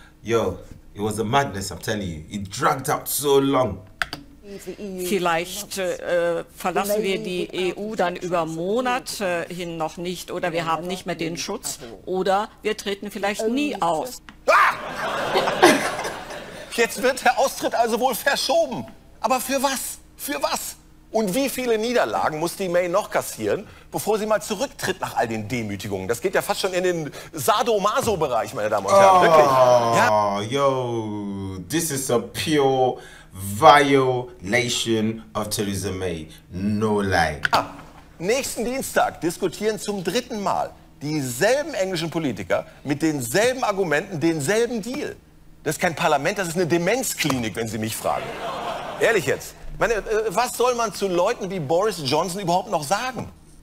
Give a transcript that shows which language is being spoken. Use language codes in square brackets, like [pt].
[en] Yo, it was a madness, I'm telling you. It dragged out so long. [de] Vielleicht verlassen wir die EU dann über Monate hin noch nicht, oder wir haben nicht mehr den Schutz, oder wir treten vielleicht nie aus. Ah! Jetzt wird der Austritt also wohl verschoben. Aber für was? Für was? Und wie viele Niederlagen muss die May noch kassieren, bevor sie mal zurücktritt nach all den Demütigungen? Das geht ja fast schon in den Sadomaso-Bereich, meine Damen und Herren. Oh, wirklich. Ja. [en] Yo, this is a pure violation of Theresa May. No lie. [de] Ja. Nächsten Dienstag diskutieren zum dritten Mal dieselben englischen Politiker mit denselben Argumenten denselben Deal. Das ist kein Parlament, das ist eine Demenzklinik, wenn Sie mich fragen. Ehrlich jetzt. Meine, was soll man zu Leuten wie Boris Johnson überhaupt noch sagen?